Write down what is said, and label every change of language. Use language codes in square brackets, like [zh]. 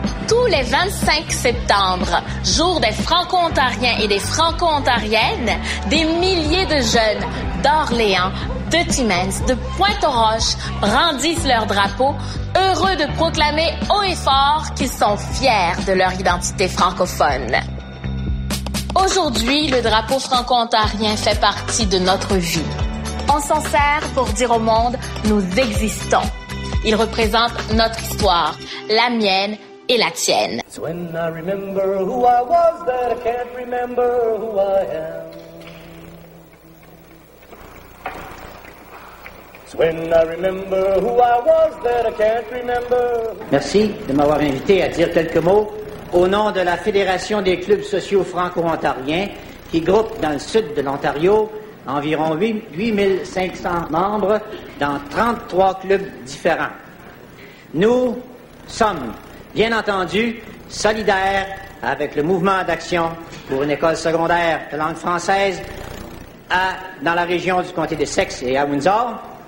[fr] Tous les 25 septembre, jour des franco-ontariens et des franco-ontariennes, des milliers de jeunes d'Orléans, de Timmins, de Pointe-aux-Roches brandissent leur drapeau, heureux de proclamer haut et fort qu'ils sont fiers de leur identité francophone. Aujourd'hui, le drapeau franco-ontarien fait partie de notre vie. On s'en sert pour dire au monde « nous existons ». Il représente notre histoire, la mienne et la tienne. [en] It's when I remember who I was that I can't remember who I am. It's when I remember who I was that I can't remember. [fr] Merci de m'avoir invité à dire quelques mots au nom de la Fédération des clubs sociaux franco-ontariens qui groupe dans le sud de l'Ontario environ 8500 membres dans 33 clubs différents. Nous sommes, bien entendu, solidaires avec le mouvement d'action pour une école secondaire de langue française dans la région du comté d'Essex et à Windsor.